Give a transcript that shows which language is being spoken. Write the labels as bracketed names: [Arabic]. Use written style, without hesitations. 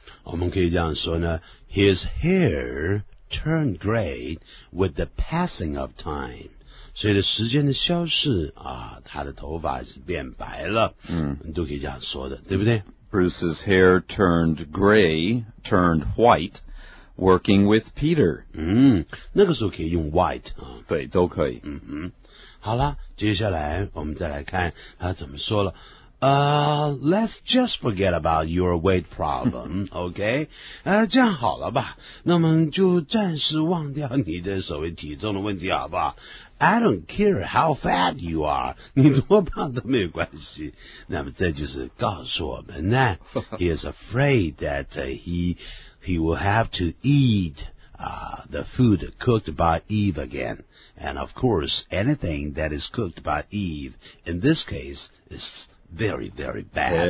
[Chinese] 我们可以这样说呢 [English] ,his hair turned gray with the passing of time. [Chinese] 随着时间的消逝啊他的头发是变白了嗯你都可以这样说的对不对 [English] ?Bruce's hair turned gray, turned white. Working with Peter. [Chinese] 那个时候可以用 white.、对都可以。嗯哼。好啦接下来我们再来看他怎么说了。 [English] Let's just forget about your weight problem, okay? [Chinese] 这样好了吧。那么就暂时忘掉你的所谓体重的问题好不好 ? [English] I don't care how fat you are. [Chinese] 你多胖都没有关系。那么这就是告诉我们呢。 [English] He is afraid that he will have to eat, the food cooked by Eve again. And of course, anything that is cooked by Eve, in this case, is very, very bad.